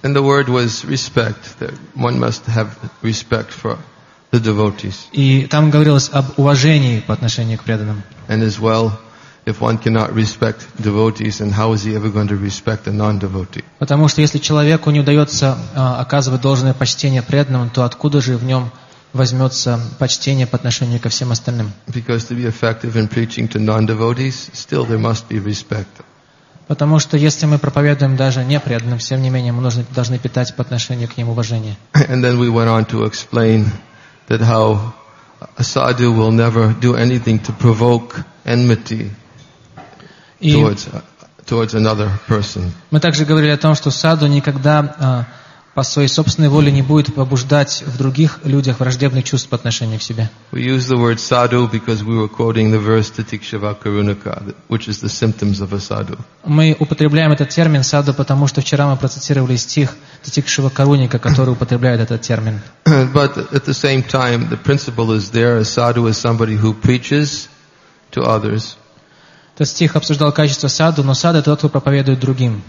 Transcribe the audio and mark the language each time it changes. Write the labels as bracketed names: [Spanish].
[English] And the word was respect, that one must have respect for the devotees. [Russian] И там говорилось об уважении по отношению к преданным. [English] And as well, if one cannot respect devotees, then how is he ever going to respect a non-devotee? [Russian] Потому что если человеку не удается оказывать должное почтение преданным, то откуда же в нем возьмется почтение по отношению ко всем остальным? [English] Because to be effective in preaching to non-devotees, still there must be respect. [Russian] Потому что если мы проповедуем даже непреданным, тем не менее мы должны питать по отношению к ним уважение. [English] And then we went on to explain that how a sadhu will never do anything to provoke enmity towards another person. [Russian] Мы также говорили о том, что саду никогда по своей собственной воле не будет побуждать в других людях враждебных чувств по отношению к себе. [English] We use the word sadhu because we were quoting the verse Tatikshava Karunaka, which is the symptoms of a sadhu. [Russian] Мы употребляем этот термин саду, потому что вчера мы процитировали стих Татикшива Каруника, который употребляет этот термин. [English] But at the same time, the principle is there. A sadhu is somebody who preaches to others. [Russian] Этот стих обсуждал качество саду, но саду это тот, кто проповедует другим.